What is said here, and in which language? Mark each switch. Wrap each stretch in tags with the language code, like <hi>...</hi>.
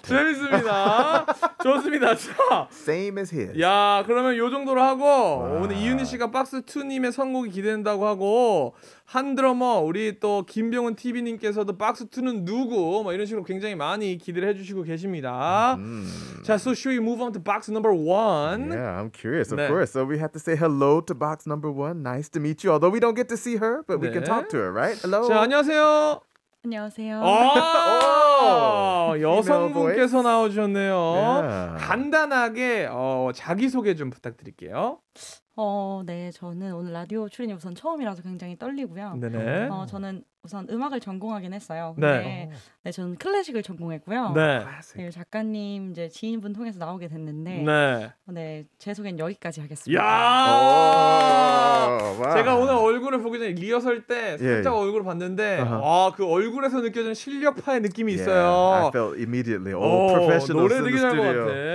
<ko>재밌습니다. 좋습니다. 자.</ko> <en>Same as his.</en> <ko>야, 그러면 요 정도로 하고 와. 오늘 이윤희 씨가 박스2님의 선곡이 기대된다고 하고 한 드러머 우리 또 김병훈 TV님께서도 박스2는 누구? 뭐 이런 식으로 굉장히 많이 기대를 해주시고 계십니다.</ko> <en>자, so should we move on to box number one? Yeah, I'm curious, of 네. course. So we have to say hello to box number one. Nice to meet you. Although we don't get to see her, but 네. we can talk to her, right? Hello.</en> <ko>자, 안녕하세요. 안녕하세요. 여성분께서 나오셨네요. 간단하게 자기소개 좀 부탁드릴게요. 네, 저는 오늘 라디오 출연이 우선 처음이라서 굉장히 떨리고요. 네네. 저는 우선 음악을 전공하긴 했어요. 네. 네, 저는 클래식을 전공했고요. 네. 네, 작가님 이제 지인분 통해서 나오게 됐는데. 네. 네, 제 소개는 여기까지 하겠습니다. 야! 제가 오늘 얼굴을 보기 전에 리허설 때 살짝 얼굴을 봤는데 그 얼굴에서 느껴지는 실력파의 느낌이 있어요.</ko> <en>I felt immediately all professional in the studio.</en>